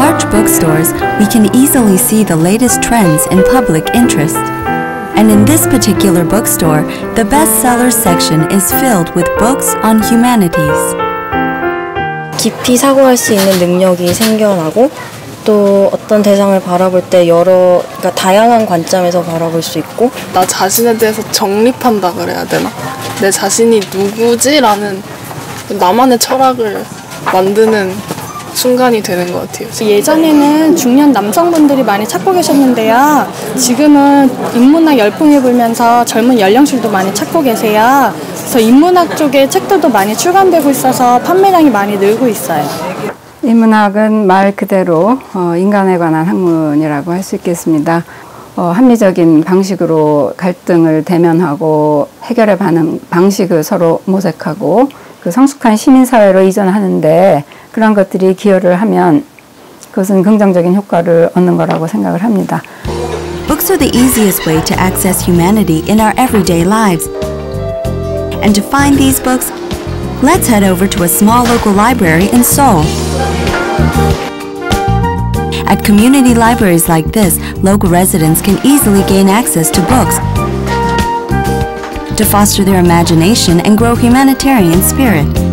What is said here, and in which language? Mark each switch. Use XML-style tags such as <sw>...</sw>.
<en>북 스토어스 we can easily see the latest trends in public interest. And in this particular bookstore, the bestseller section is filled with books on humanities.</en> <ko>깊이 사고할 수 있는 능력이 생겨나고 또 어떤 대상을 바라볼 때 여러 그러니까 다양한 관점에서 바라볼 수 있고 나 자신에 대해서 정립한다 그래야 되나? 내 자신이 누구지라는 나만의 철학을 만드는 순간이 되는 것 같아요. 예전에는 중년 남성분들이 많이 찾고 계셨는데요. 지금은 인문학 열풍이 불면서 젊은 연령층도 많이 찾고 계세요. 그래서 인문학 쪽에 책들도 많이 출간되고 있어서 판매량이 많이 늘고 있어요. 인문학은 말 그대로 인간에 관한 학문이라고 할 수 있겠습니다. 합리적인 방식으로 갈등을 대면하고 해결해 가는 방식을 서로 모색하고 그 성숙한 시민사회로 이전하는데 그런 것들이 기여를 하면 그것은 긍정적인 효과를 얻는 거라고 생각을 합니다.</ko> <en>Books are the easiest way to access humanity in our everyday lives. And to find these books, let's head over to a small local library in Seoul. At community libraries like this, local residents can easily gain access to books to foster their imagination and grow humanitarian spirit.</en>